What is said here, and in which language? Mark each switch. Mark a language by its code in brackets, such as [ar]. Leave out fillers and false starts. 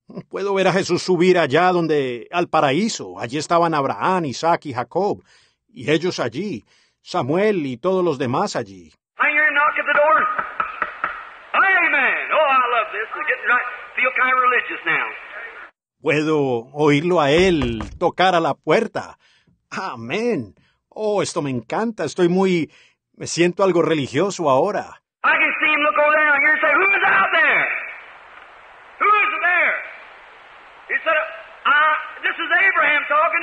[es] Puedo ver a Jesús subir allá donde, al paraíso. Allí estaban Abraham, Isaac y Jacob, y ellos allí, Samuel y todos los demás allí. [en] I hear a knock at the door. Amen. Oh, I love this. I'm getting right. Feel kind of religious now. [es] Puedo oírlo a él tocar a la puerta. Amén. Oh, esto me encanta. Estoy muy, me siento algo religioso ahora. [en] I can see him look over there and hear him say, "Who is out there? Who is there?" He said, "This is Abraham talking.